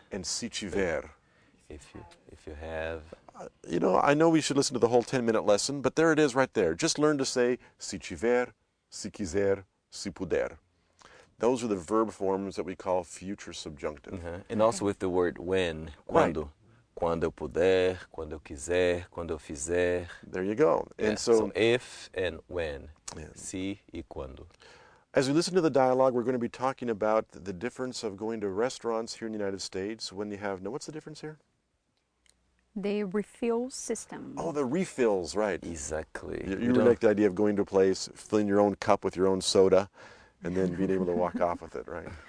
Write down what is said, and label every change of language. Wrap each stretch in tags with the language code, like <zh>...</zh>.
<pt>And si tiver.</pt> <en>If you have. You know, I know we should listen to the whole 10-minute lesson, but there it is right there. Just learn to say,</en> <pt>si tiver, si quiser, si puder.</pt> <en>Those are the verb forms that we call future subjunctive. And also with the word when. Quando. Right.</en> <pt>Quando eu puder, quando eu quiser, quando eu fizer.</pt> <en>There you go. And so if and when. Yeah.</en> <pt>Si e quando.</pt> <en>As we listen to the dialogue, we're going to be talking about the difference of going to restaurants here in the United States when you have, what's the difference here? The refill system. Oh, the refills, right. Exactly. You don't like the idea of going to a place, filling your own cup with your own soda, and then being able to walk off with it, right?</en>